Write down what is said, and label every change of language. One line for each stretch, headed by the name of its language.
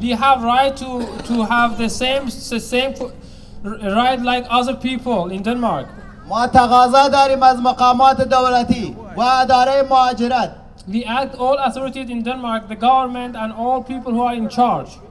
English: We have right to have the same right like other people in Denmark.
Persian: ما تقاضا داریم از مقامات دولتی. و اداره مهاجرت.
English: We act all authorities in Denmark, the government and all people who are in charge.